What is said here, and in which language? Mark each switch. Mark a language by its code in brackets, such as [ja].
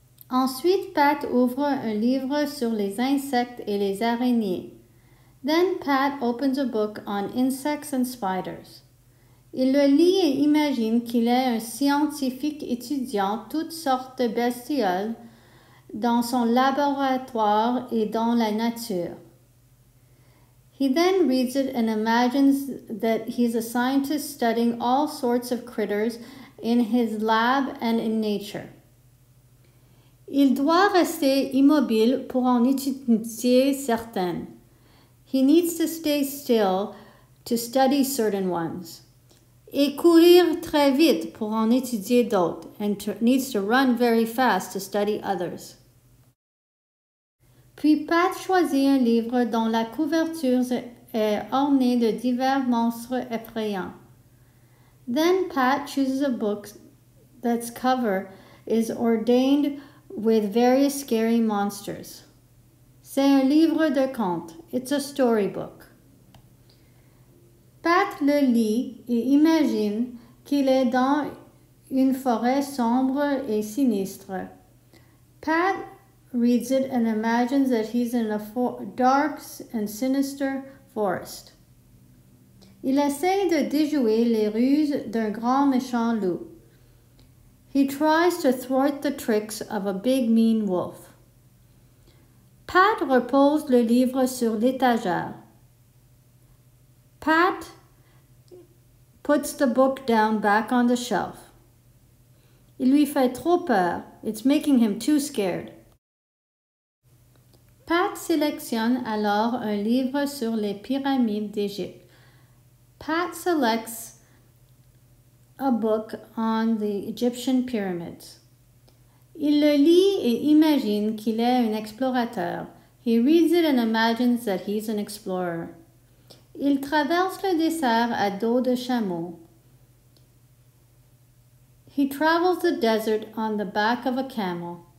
[fr] Ensuite, Pat ouvre un livre sur les insectes et les araignées. [en] Then Pat opens a book on insects and spiders. [fr] Il le lit et imagine qu'il est un scientifique étudiant toutes sortes de bestioles dans son laboratoire et dans la nature. [en] He then reads it and imagines that he's a scientist studying all sorts of critters in his lab and in nature. [fr] Il doit rester immobile pour en étudier certaines. [en] He needs to stay still to study certain ones. [fr] Et courir très vite pour en étudier d'autres, [en] and needs to run very fast to study others. [fr] Puis Pat choisit un livre dont la couverture est ornée de divers monstres effrayants. [en] Then Pat chooses a book that's cover is ornate with various scary monsters. [fr] C'est un livre de conte. [en] It's a storybook. [fr] Pat le lit et imagine qu'il est dans une forêt sombre et sinistre. [en] Pat reads it and imagines that he's in a dark and sinister forest. [fr] Il essaie de déjouer les ruses d'un grand méchant loup. [en] He tries to thwart the tricks of a big mean wolf. [fr] Pat repose le livre sur l'étagère. [en] Pat puts the book down back on the shelf. [fr] Il lui fait trop peur. [en] It's making him too scared. [fr] Pat sélectionne alors un livre sur les pyramides d'Égypte. [en] Pat selects a book on the Egyptian pyramids. [fr] Il le lit et imagine qu'il est un explorateur. [en] He reads it and imagines that he's an explorer. [fr] Il traverse le désert à dos de chameau. [en] He travels the desert on the back of a camel.